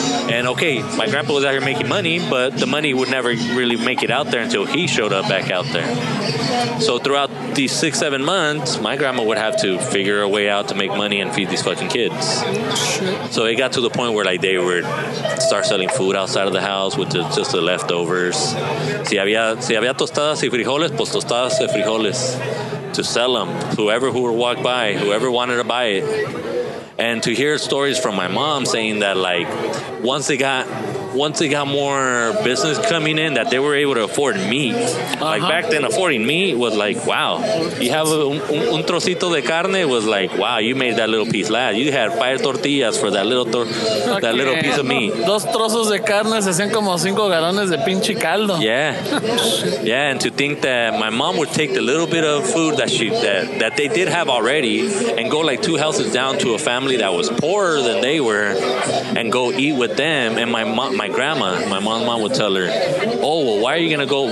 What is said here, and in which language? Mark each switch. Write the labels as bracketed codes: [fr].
[en] And okay, my grandpa was out here making money, but the money would never really make it out there until he showed up back out there. So throughout these 6, 7 months, my grandma would have to figure a way out to make money and feed these fucking kids. So it got to the point where, like, they would start selling food outside of the house with just the leftovers. [es] Si había tostadas y frijoles, pues tostadas y frijoles. [en] To sell them, who would walk by, whoever wanted to buy it. And to hear stories from my mom saying that, like, once they got more business coming in, that they were able to afford meat. Uh-huh. Like, back then, affording meat was like, wow. You have [es] un trocito de carne, [en] was like, wow, you made that little piece last. You had 5 tortillas for that little little piece of meat. [es] Dos trozos de carne se hacían como 5 galones de pinche caldo. [en] Yeah. Yeah, and to think that my mom would take the little bit of food that they did have already and go like 2 houses down to a family that was poorer than they were and go eat with them. And my mom would tell her, oh, well, why are you going to go?